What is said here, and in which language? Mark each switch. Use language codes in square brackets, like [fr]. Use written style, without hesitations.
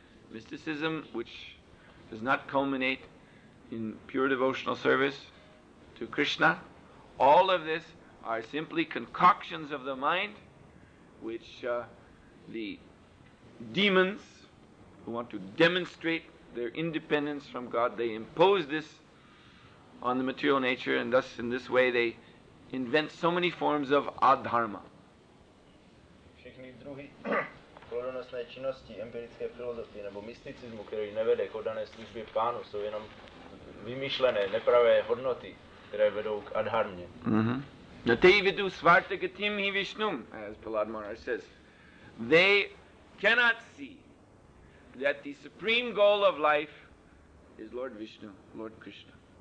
[en] Mysticism, which does not culminate in pure devotional service to Krishna, all of this are simply concoctions of the mind, which the demons, who want to demonstrate their independence from God, they impose this on the material nature, and thus in this way they invent so many forms of adharma. [cs] Všechny druhy plodonosné činnosti, empirické filozofie nebo mysticismu, který nevede k oddané službě pánu, jsou jenom vymyšlené, nepravé hodnoty, které vedou k adharmě. [sa] Na te vidu svarta gatim hi vishnum, [en] as Prahlad Maharaj says, they cannot see that the supreme goal of life is Lord Vishnu, Lord Krishna.